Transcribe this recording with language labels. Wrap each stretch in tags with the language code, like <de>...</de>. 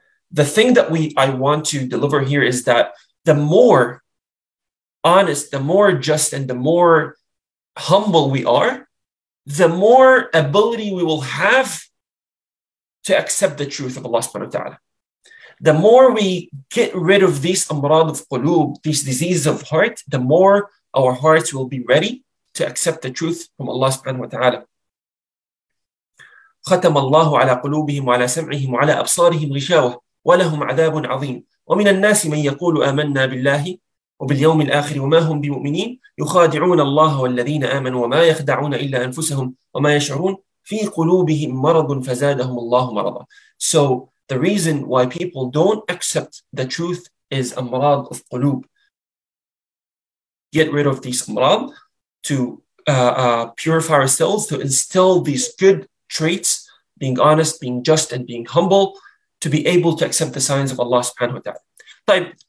<en>The thing that I want to deliver here is that the more honest, the more just, and the more humble we are, the more ability we will have to accept the truth of Allah subhanahu wa ta'ala. The more we get rid of these amrad of qulub, these diseases of heart, the more our hearts will be ready to accept the truth from Allah subhanahu wa ta'ala.</en> <ar>خَتَمَ اللَّهُ عَلَى قُلُوبِهِمْ وَعَلَى سَمْعِهِمْ وَعَلَى أَبْصَارِهِمْ غِشَاوَةٌ وَلَهُمْ عَذَابٌ عَظِيمٌ وَمِنَ النَّاسِ مَنْ يَقُولُ آمَنَّا بِاللَّهِ وباليوم الآخر وما هم بمؤمنين يخادعون الله والذين آمنوا وما يخدعون إلا أنفسهم وما يشعرون في قلوبهم مرض فزادهم الله مرضا.</ar> <en>So the reason why people don't accept the truth is amrad of qulub. Get rid of these amrad to purify ourselves, to instill these good traits, being honest, being just, and being humble, to be able to accept the signs of Allah subhanahu wa ta'ala.</en>